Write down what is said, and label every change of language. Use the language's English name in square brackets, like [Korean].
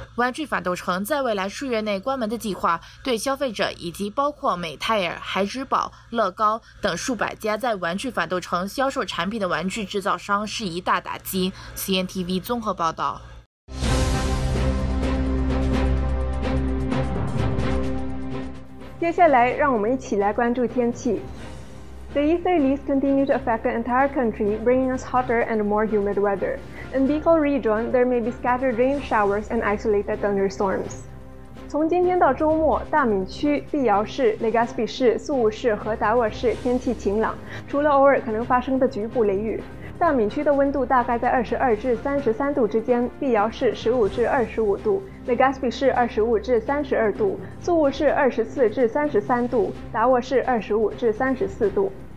[Chinese] 玩具反斗城在未来数月内关门的计划，对消费者以及包括美泰尔、孩之宝、乐高等数百家在玩具反斗城销售产品的玩具制造商是一大打击。 CNTV 综合报道。接下来，让我们一起来关注天气。 [English] The east release continue to affect the entire country, bringing us hotter and more humid weather. In Bicol region, there may be scattered rain showers and isolated thunderstorms. [Chinese] 从今天到周末，大闽区、碧瑶市、雷加斯比市、宿务市和达沃市天气晴朗，除了偶尔可能发生的局部雷雨。大闽区的温度大概在22至33度之间，碧瑶市15至25度，雷加斯比市25至32度，宿务市24至33度，达沃市25至34度。